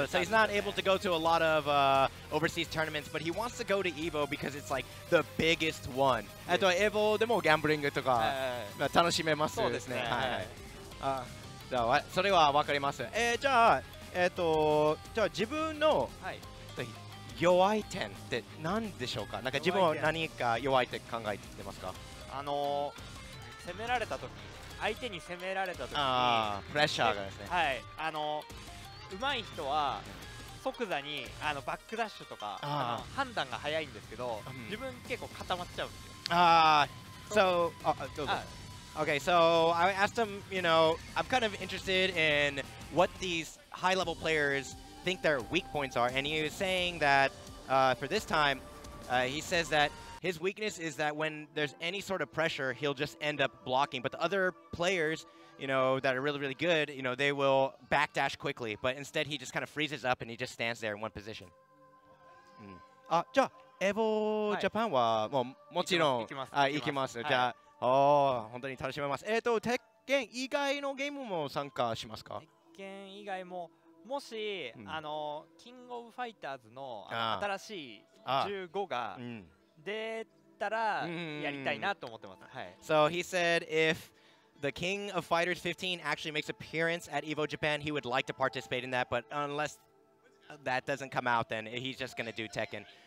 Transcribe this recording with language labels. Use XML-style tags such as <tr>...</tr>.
<en>So he's not able to go to a lot of overseas tournaments, but he wants to go to EVO because it's like the biggest one.</en> <ja>あと、EVOでもギャンブリングとか楽しめますね。はい。それはわかります。じゃあ、自分の 弱い点って何でしょうか?なんか自分は何か弱い点考えてますか?攻められた時、相手に攻められた時、プレッシャーがですね。はい。上手い人は即座にバックダッシュとか判断が早いんですけど、自分結構固まっちゃうんですよ。ああ、そう、どうぞ。</ja> <en>Okay, so I asked him, you know, I'm kind of interested in what these high level players think their weak points are, and he was saying that for this time, he says that his weakness is that when there's any sort of pressure, he'll just end up blocking. But the other players, you know, that are really, really good, you know, they will backdash quickly. But instead, he just kind of freezes up and he just stands there in one position.</en> <ja>じゃあ、EVOジャパンはもちろん行きます。じゃあ、本当に楽しめます。鉄拳以外のゲームも参加しますか?鉄拳以外ももし、キングオブファイターズの新しい15が出たらやりたいなと思ってます。</ja> <en>So he said if the King of Fighters 15 actually makes appearance at EVO Japan, he would like to participate in that, but unless that doesn't come out, then he's just gonna do Tekken.</en>